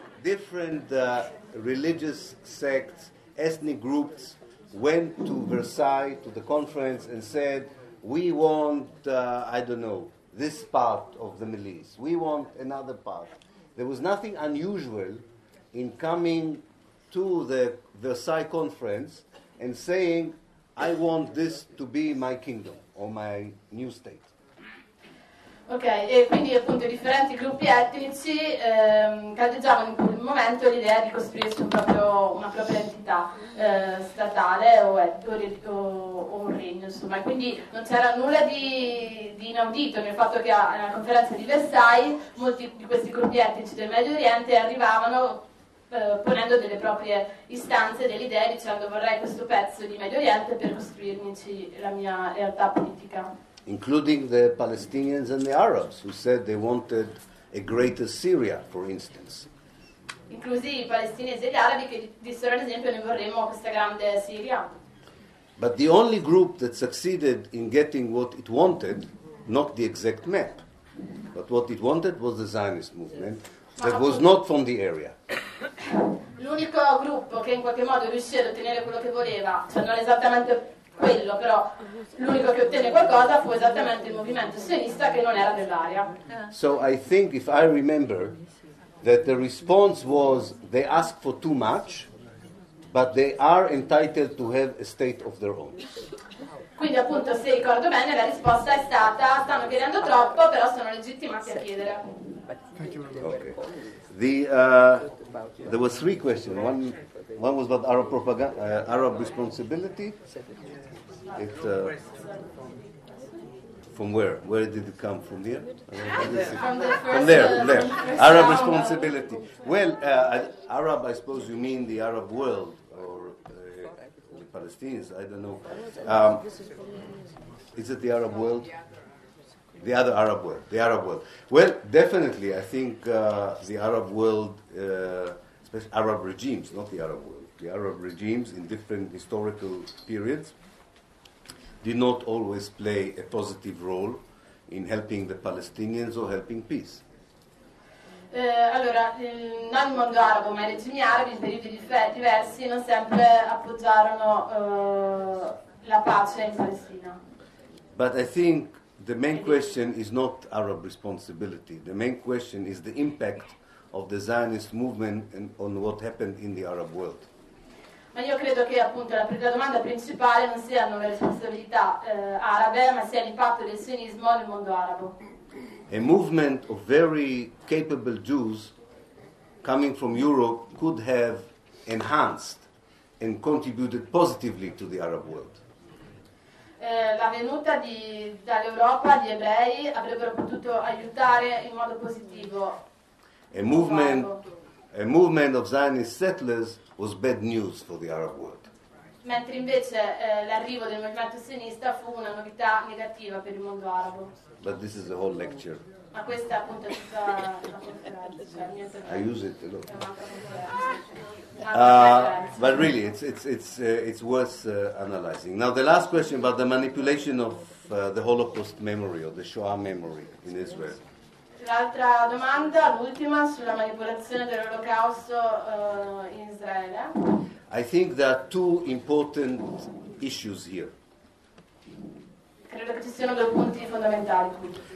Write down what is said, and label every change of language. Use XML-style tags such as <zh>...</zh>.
<en>Different religious sects, ethnic groups went to Versailles to the conference and said, we want, this part of the Middle East. We want another part. There was nothing unusual in coming to the Versailles conference and saying, I want this to be my kingdom or my new state.</en> <it>Ok, e quindi appunto i differenti gruppi etnici caldeggiavano in quel momento l'idea di costruirsi una propria entità statale o un regno, insomma. E quindi non c'era nulla di inaudito nel fatto che alla conferenza di Versailles molti di questi gruppi etnici del Medio Oriente arrivavano ponendo delle proprie istanze, delle idee, dicendo vorrei questo pezzo di Medio Oriente per costruirmici la mia realtà politica.</it> <en>Including the Palestinians and the Arabs, who said they wanted a greater Syria, for instance.</en> <it>Inclusi i palestinesi e gli arabi che dissero, ad esempio, noi vorremmo questa grande Siria.</it> <en>But the only group that succeeded in getting what it wanted, not the exact map, but what it wanted was the Zionist movement, that was not from the area.</en> <it>L'unico gruppo che in qualche modo riuscì ad ottenere quello che voleva, cioè non esattamente quello, però l'unico che ottenne qualcosa fu esattamente il movimento sionista che non era dell'area.</it> <en>So I think, if I remember, that the response was they ask for too much, but they are entitled to have a state of their own.</en> <it>Quindi appunto, se ricordo bene, la risposta è stata stanno chiedendo troppo, però sono legittimati a chiedere.</it> <en>Okay. There were three questions. One was about Arab propaganda, Arab responsibility. From where? Where did it come from? Here? From there. Arab responsibility. Well, Arab, I suppose you mean the Arab world or the Palestinians. I don't know. Is it the Arab world? The other Arab world, the Arab world. Well, definitely, I think the Arab world, especially Arab regimes, not the Arab world, the Arab regimes in different historical periods did not always play a positive role in helping the Palestinians or helping peace.</en> <it>Allora, non il mondo arabo, ma i regimi arabi in periodi diversi non sempre appoggiarono la pace in Palestina.</it> <en>But I think the main question is not Arab responsibility. The main question is the impact of the Zionist movement on what happened in the Arab world.</en> <it>Ma io credo che appunto la domanda principale non siano le responsabilità arabe, ma sia l'impatto del sionismo nel mondo arabo.</it> <en>A movement of very capable Jews coming from Europe could have enhanced and contributed positively to the Arab world.</en> <it>La venuta dall'Europa di ebrei avrebbero potuto aiutare in modo positivo.</it> <en>A movement of Zionist settlers was bad news for the Arab world.</en> <it>Mentre invece l'arrivo del movimento sionista fu una novità negativa per il mondo arabo.</it> <en>But this is a whole lecture.</en> <it>Ma questa appunto è tutta la conferenza.</it> <en>I use it a lot. But really, it's worth analyzing. Now the last question about the manipulation of the Holocaust memory or the Shoah memory in Israel.</en> <it>L'altra domanda, l'ultima, sulla manipolazione dell'Olocausto in Israele.</it> <en>I think there are two important issues here.</en> <it>Credo che ci siano due punti fondamentali qui.</it>